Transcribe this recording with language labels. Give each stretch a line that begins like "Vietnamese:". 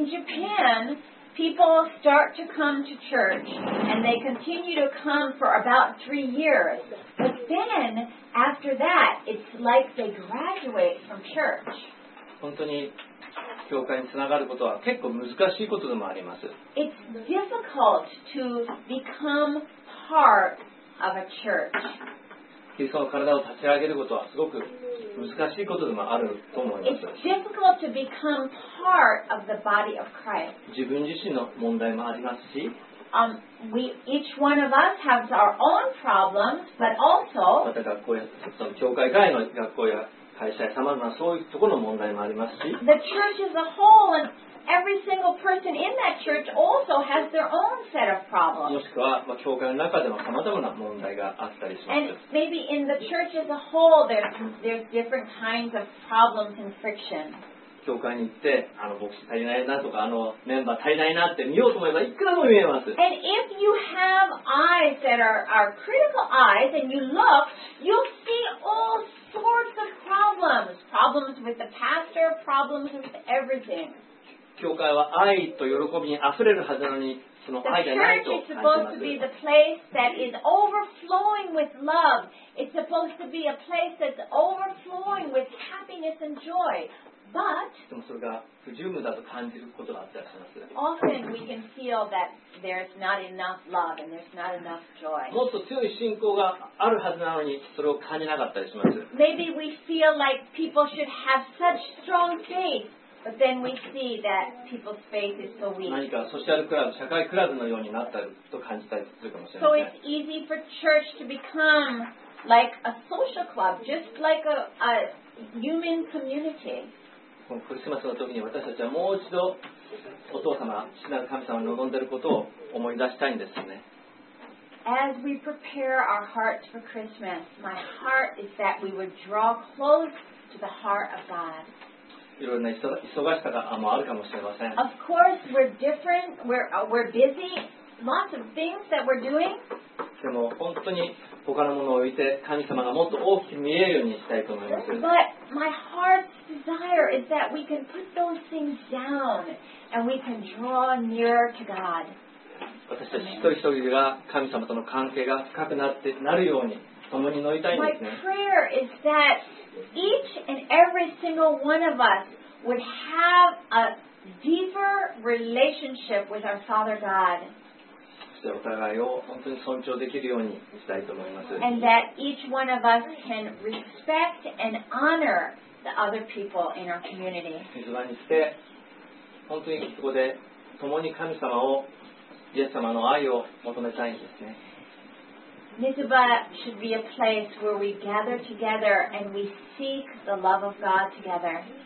English: In Japan,People start to come to church and they continue to come for about 3 years. But then, after that, it's like they graduate from church.
Japanese: 本当に教会につながることは結構難しいことでもあります。
English: It's difficult to become part of a church.
Japanese: キリストの体を立ち上げることはすごく難しいことでもあると思います。
English: It's difficult to become part of the body of Christ.
Japanese: 自分自身の問題もありますし、
English: we each one of us has our own problems, but also
Japanese: また学校やその教会外の学校や会社やさまざまなそういうところの問題もありますし、
English: the church as a whole and every single person in that church also has their own set of problems.
Japanese: もしくは、まあ、教会の中でもさまざまな問題があったりします。
English: And maybe in the church as a whole, there's different kinds of problems and friction.
Japanese: 教会に行って、あの牧師足りないなとか、あのメンバー足りないなって見ようと思えばいくらも見えます。
English: And if you have eyes that are critical eyes and you look, you'll see all sorts of problems. Problems with the pastor, problems with everything.
Japanese: 教会は愛と喜びにあふれるはずなのにその愛がないと感じます。
English: The church is supposed to be the place that is overflowing with love. It's supposed to be a place that's overflowing with happiness and joy. But
Japanese: でもそれが不十分だと感じることがあったりします。
English: Often we can feel that there's not enough love and there's not enough joy.
Japanese: もっと強い信仰があるはずなのにそれを感じなかったりします。
English: Maybe we feel like people should have such strong faith. But then we see that people's faith is so weak.
Japanese: 何かソーシャルクラブ、社会クラブのようになったと感じたりするかもしれません。
English: So it's easy for church to become like a social club, just like a human community.
Japanese: このクリスマスの時に私たちはもう一度お父様、父なる神様が望んでいることを思い出したいんですよね。
English: As we prepare our hearts for Christmas, my heart is that we would draw close to the heart of God.
Japanese: いろいろな忙しさがもあるかもしれません。
English: Of course, we're different. We're busy. Lots of things that we're doing.
Japanese: っても本当に他のものを置いて神様がもっと大きく見えるようにしたいと思います。
English: But my heart's desire is that we can put those things down and we can draw nearer to God。
Japanese: 私たち一人一人が神様との関係が深くなってなるように共に乗りたいんですね。
English: My prayer is that each and every single one of us would have a deeper relationship with our Father God.
Japanese: お互いを本当に尊重できるようにしたいと思います。
English: And that each one of us can respect and honor the other people in our community.
Japanese: 水場にして、本当にそこで共に神様を、イエス様の愛を求めたいんですね。
English: Mizuba should be a place where we gather together and we seek the love of God together.